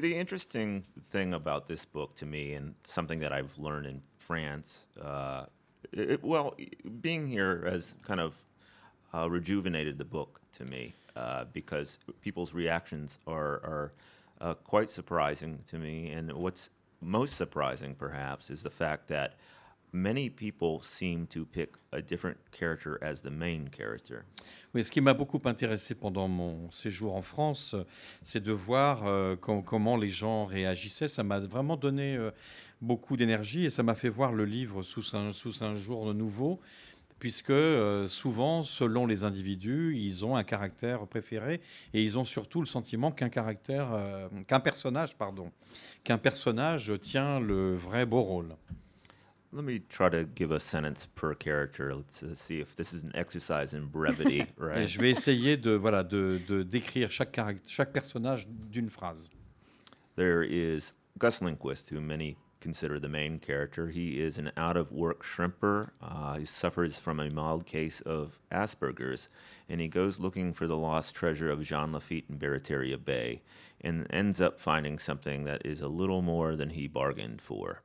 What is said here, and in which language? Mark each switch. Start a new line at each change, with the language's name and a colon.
English: The interesting thing about this book to me, and something that I've learned in France, being here has kind of rejuvenated the book to me, because people's reactions are quite surprising to me. And what's most surprising, perhaps, is the fact that many people seem to pick a different character as the main character.
French: Oui, ce qui m'a beaucoup intéressé pendant mon séjour en France, c'est de voir comment les gens réagissaient. Ça m'a vraiment donné beaucoup d'énergie et ça m'a fait voir le livre sous un jour nouveau. puisque souvent, selon les individus, ils ont un caractère préféré et ils ont surtout le sentiment qu'un personnage tient le vrai beau rôle.
English: Let me try to give a sentence per character to see if this is an exercise in brevity, right?
French: Je vais essayer de décrire chaque personnage d'une phrase.
English: There is Gus Lindquist, who many consider the main character. He is an out-of-work shrimper. He suffers from a mild case of Asperger's, and he goes looking for the lost treasure of Jean Lafitte in Barataria Bay and ends up finding something that is a little more than he bargained for.